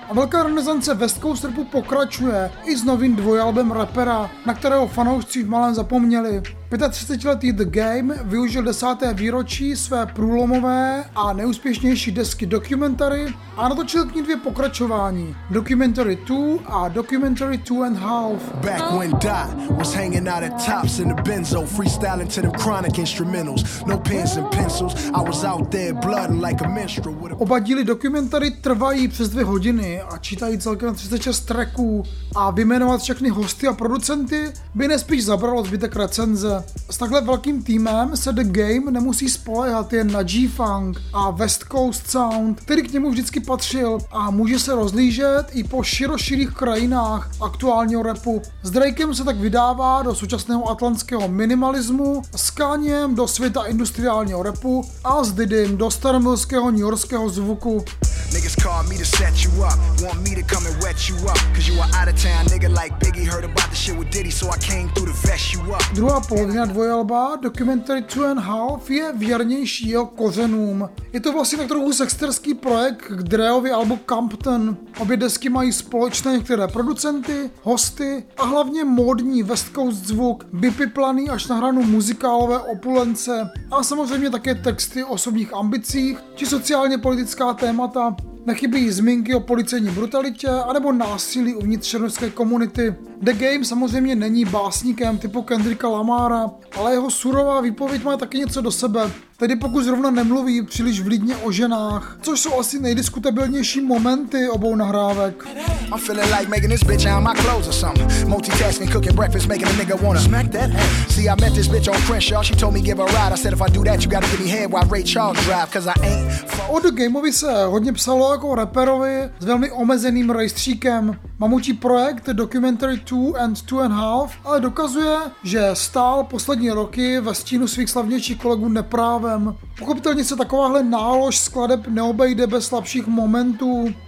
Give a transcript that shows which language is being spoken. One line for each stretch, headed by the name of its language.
Czech: A velká renesance West Coast rapu pokračuje i s novým dvojalbem rapera, na kterého fanoušci v malém zapomněli. 35-letý The Game využil 10. výročí své průlomové a nejúspěšnější desky Documentary a natočil k ní dvě pokračování, Documentary 2 a Documentary 2 and a half.
English: Back when Dot was hanging out at Tops in the Benzo, freestyling to them chronic instrumentals, no pens and pencils, I was out there blooding like a minstrel.
Czech: Oba díly Documentary trvají přes 2 hodiny a čítají celkem 36 tracků a vyjmenovat všechny hosty a producenty by nespíš zabralo zbytek recenze. S takhle velkým týmem se The Game nemusí spoléhat jen na G-Funk a West Coast Sound, který k němu vždycky patřil, a může se rozlížet i po široširých krajinách aktuálního rapu. S Drakem se tak vydává do současného atlantského minimalismu, s Kaniem do světa industriálního rapu a s Didym do staromilského newyorského zvuku.
English: Niggas call me to set you up, want me to come and wet you up, cause you are out of town, nigga like Biggie, heard about the shit with Diddy, so I came through to vest you up.
Czech: Druhá polovina dvojalba, Documentary 2 and Half, je věrnější jeho kořenům. Je to vlastně tak trochu sexterský projekt k Dreovi albu Compton. Obě desky mají společné některé producenty, hosty a hlavně módní West Coast zvuk, vypiplaný až na hranu muzikálové opulence a samozřejmě také texty o osobních ambicích či sociálně politická témata. Nechybí zmínky o policejní brutalitě anebo násilí uvnitř černožské komunity. The Game samozřejmě není básníkem typu Kendricka Lamara, ale jeho surová výpověď má taky něco do sebe. Tedy pokud zrovna nemluví příliš vlídně o ženách, což jsou asi nejdiskutabilnější momenty obou nahrávek.
English: I'm feeling like making this bitch out my clothes or something. Multitasking, cooking breakfast, making a nigga wanna smack that ass. See, I met this bitch on Crenshaw, she told me give a ride. I said if I do that, you gotta give me head while Ray Charles drive, cause I ain't...
Czech: O The Game-ovi se hodně psalo jako rapperovi s velmi omezeným rejstříkem. Mamutí projekt Documentary 2 and 2 and a half, ale dokazuje, že stál poslední roky ve stínu svých slavnějších kolegů neprávem. Pochopitelně se takováhle nálož skladeb neobejde bez slabších momentů.